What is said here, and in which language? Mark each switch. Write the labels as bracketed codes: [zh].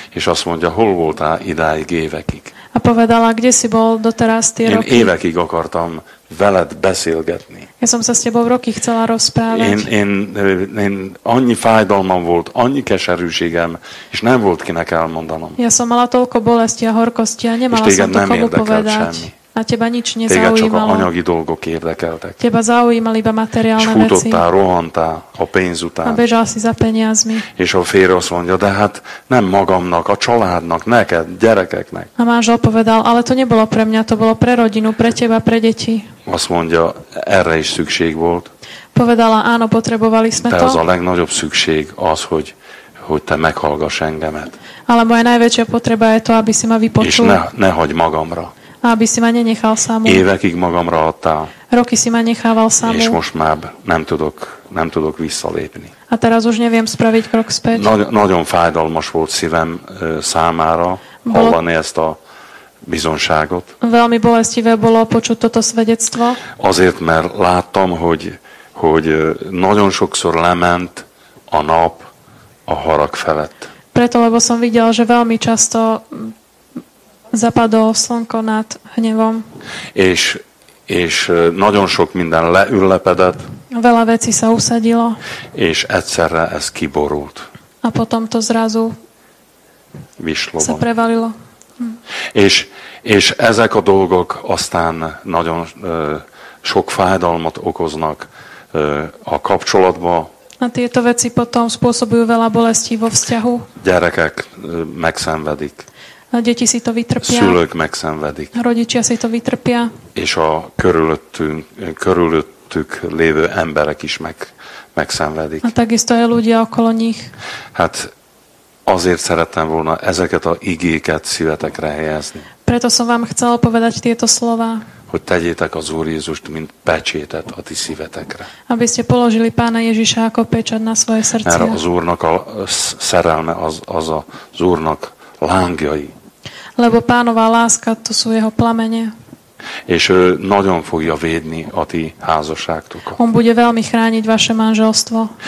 [hu] És azt mondja, hol voltál idáig évekig. [sk] A povedala, kde si bol doteraz tie roky. [hu] Én évekig akartam veled beszélgetni. [sk] Ja som sa s tebou roky chcela rozprávať. [hu] Én annyi fájdalmam volt, annyi keserűségem, és nem volt kinek elmondanom. [sk] Ja som mala toľko bolesti a horkosti a nemala som to komu povedať. A teba nič nezaujímalo. [hu] Téged csak a anyagi dolgok érdekeltek. [sk] Teba zaujímal iba materiálne veci. [hu] És futottál, rohantál a pénz után. [sk] A bežal si za peniazmi. [hu] És a férj azt mondja, de hát nem magamnak, a családnak, neked, gyerekeknek. [sk] A manžel povedal, ale to nebolo pre mňa, to bolo pre rodinu, pre teba, pre deti. [hu] Azt mondja, erre is szükség volt. [sk] Povedala, áno, potrebovali sme de to. [hu] De az a legnagyobb szükség az, hogy te meghallgass engemet. [sk] Ale moja najväčšia potreba je to, aby si ma vypočul. [hu] És ne hagy magamra. [sk] Aby si ma nenechal samú. [hu] Évekig magamra adtál. [sk] Roky si ma nechával samú. [hu] És most már nem tudok visszalépni. [sk] A teraz už neviem spraviť krok späť. [hu] Nagyon fájdalmas volt szívem számára hallani ezt a bizonságot. [sk] Veľmi bolestivé bolo počuť toto svedectvo. [hu] Azért, mert láttam, hogy nagyon sokszor lement a nap a harag felett. [sk] Preto, lebo som videl, že veľmi často zapadol slnko nad hnevom. [hu] És nagyon sok minden leüllepedett. [sk] Veľa vecí sa usadilo. [hu] És egyszerre ez kiborult. [sk] A potom to zrazu vyšlo. Sa prevalilo. [hu] És ezek a dolgok aztán nagyon sok fájdalmat okoznak a kapcsolatba. [sk] A tieto veci potom spôsobujú veľa bolesti vo vzťahu. [hu] Gyerekek megszenvedik. [sk] A deti si to vytrpia. [hu] Szülők megszenvedik. [sk] Rodičia si to vytrpia. [hu] És a körülöttük lévő emberek is megszenvedik. [sk] A takisto aj ľudia okolo nich. [hu] Hát azért szerettem volna ezeket a igéket szívetekre helyezni. [sk] Preto som vám chcel povedať tieto slová. [hu] Hogy tegyétek az Úr Jézust, mint pecsétet a ti szívetekre. [sk] Aby ste položili Pána Ježiša ako pečat na svoje srdcia. [hu] Mert az Úrnak a szerelme az Úrnak lángjai. [sk] Lebo Pánová láska, to sú jeho plamene. [hu] És ő nagyon fogja védni a ti házasságtokat. [sk] On bude veľmi chrániť vaše manželstvo.